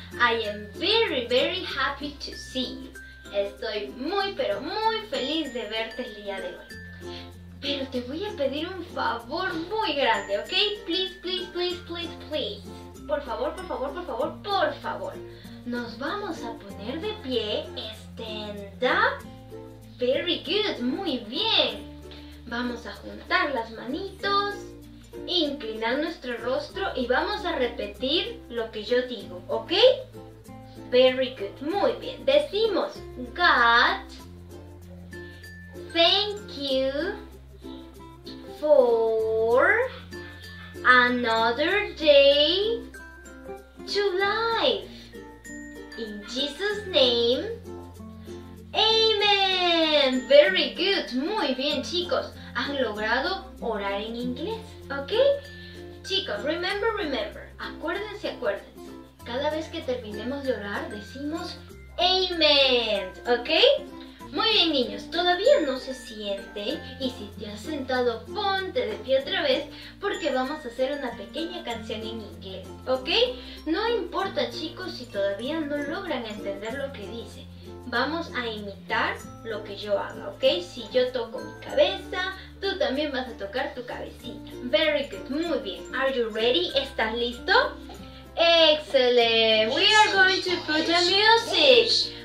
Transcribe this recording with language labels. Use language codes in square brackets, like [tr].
[en] I am very, very happy to see you. [es] Estoy muy, pero muy feliz de verte el día de hoy. Pero te voy a pedir un favor muy grande, ¿ok? [en] Please, please, please, please, please. [es] Por favor, por favor, por favor, por favor. Nos vamos a poner de pie. [en] Stand up. Very good, [es] muy bien. Vamos a juntar las manitos, inclinar nuestro rostro y vamos a repetir lo que yo digo, ¿ok? [en] Very good, [es] muy bien. Decimos, [en] God, thank you for another day to life. In Jesus' name, amen. Very good, [es] muy bien, chicos. Han logrado orar en inglés, ¿ok? Chicos, [en] remember, remember. [es] Acuérdense, acuérdense. Cada vez que terminemos de orar, decimos amen, ¿ok? Muy bien, niños. Todavía no se siente. Y si te has sentado, ponte de pie otra vez porque vamos a hacer una pequeña canción en inglés, ¿ok? No importa, chicos, si todavía no logran entender lo que dice. Vamos a imitar lo que yo haga, ¿ok? Si yo toco mi cabeza, tú también vas a tocar tu cabecita. [en] Very good, [es] muy bien. [en] Are you ready? [es] ¿Estás listo? [en] Excellent. We are going to put the music.